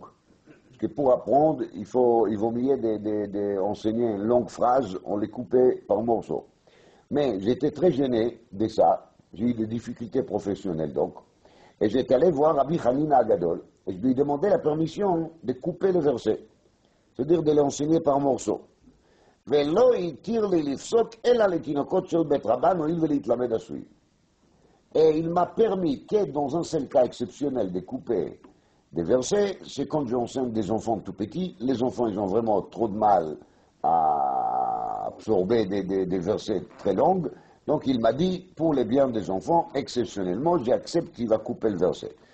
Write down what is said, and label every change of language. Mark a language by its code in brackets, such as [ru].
[fr] Parce que pour apprendre, il vaut mieux d'enseigner une longue phrase, on les coupait par morceaux. Mais j'étais très gêné de ça, j'ai eu des difficultés professionnelles donc. Et j'étais allé voir Rabbi Hanina Agadol et je lui ai demandé la permission de couper les versets, c'est-à-dire de les enseigner par morceaux. [he] ולא התיר לי לפסוק אלא לתינוקות של בית רבן הואיל ולהתלמד עשוי. [fr] Et il m'a permis que dans un seul cas exceptionnel de couper des versets, c'est quand j'enseigne des enfants tout petits, les enfants ils ont vraiment trop de mal à absorber des versets très longs, donc il m'a dit, pour les biens des enfants, exceptionnellement, j'accepte qu'il va couper le verset.